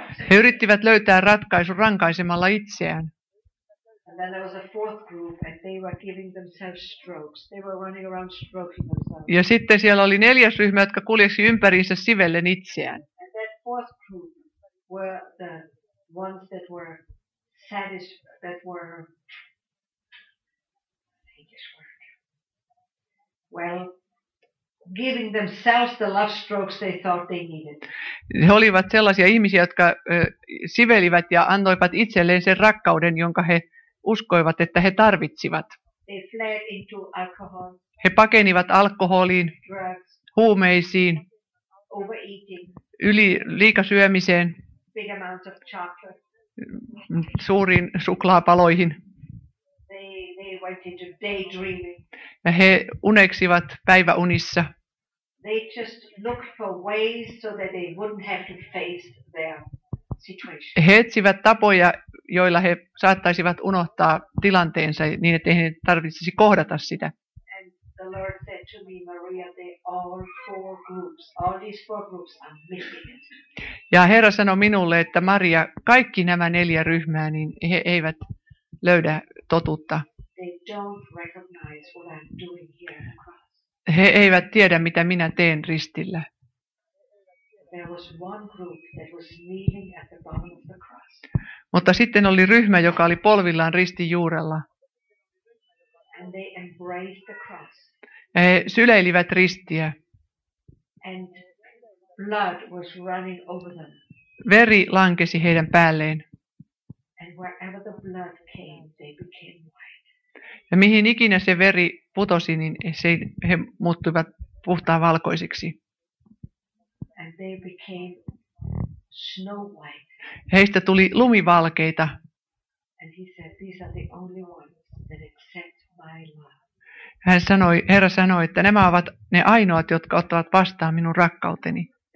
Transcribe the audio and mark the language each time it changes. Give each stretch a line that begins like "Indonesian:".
Finnish: He yrittivät löytää ratkaisun rankaisemalla itseään.
English: And then there was a fourth group and they were giving themselves strokes. They were running around stroking themselves.
Finnish: Ja sitten siellä oli neljäs ryhmä, jotka kuljeksi ympäriinsä sivellen itseään.
English: And that fourth group were the ones that were satisfied, that were, well, giving themselves the love strokes they thought they needed.
Finnish: He olivat sellaisia ihmisiä, jotka sivelivät ja antoivat itselleen sen rakkauden, jonka he uskoivat, että he tarvitsivat.
English: They fled into alcohol.
Finnish: He pakenivat alkoholiin,
English: drugs,
Finnish: huumeisiin,
English: overeating,
Finnish: yli liikasyömiseen,
English: big amounts of chocolate,
Finnish: suuriin suklaapaloihin.
English: They went into daydreaming.
Finnish: Ja he uneksivat päiväunissa.
English: They just looked for ways so that they wouldn't have to face their situation.
Finnish: He etsivät tapoja, joilla he saattaisivat unohtaa tilanteensa niin, että he tarvitsisi kohdata sitä.
English: And the Lord said to me, Maria, they all four groups, all these four groups are missing it.
Finnish: Ja Herra sanoi minulle, että Maria, kaikki nämä neljä ryhmää, niin he eivät löydä totuutta.
English: They don't recognize what I'm doing here on the cross.
Finnish: He eivät tiedä, mitä minä teen ristillä.
English: There was one group that was kneeling at the bottom of the cross.
Finnish: Mutta sitten oli ryhmä, joka oli polvillaan ristin juurella.
English: And they embraced the cross.
Finnish: He syleilivät ristiä.
English: And blood was running over them.
Finnish: Veri lankesi heidän päälleen.
English: And wherever the blood came, they became white.
Finnish: Ja mihin ikinä se veri putosi, niin he muuttuivat puhtaan valkoisiksi.
English: And they became snow white.
Finnish: Heistä tuli lumivalkeita.
English: And he said, these are the only ones that accept my love.
Finnish: Hän sanoi, Herra sanoi, että nämä ovat ne ainoat, jotka ottavat vastaan minun rakkauteni.